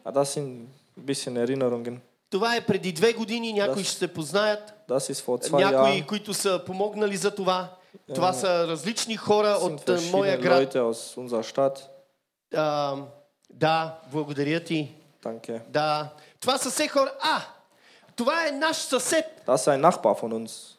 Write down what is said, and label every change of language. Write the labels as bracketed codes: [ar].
[de] Das sind ein bisschen Erinnerungen. [bg] Това е преди 2 години, някои ще се познаят. [de] Das ist vor 2 Jahren. [bg] Някои, които са помогнали за това. Това са различни хора от моя град. [de] Leute aus unserer Stadt. [bg] Да, благодаря ти. [de] Danke. [bg] Да. Това са все хора. Това е наш съсед. [de] Das ist ein Nachbar von uns.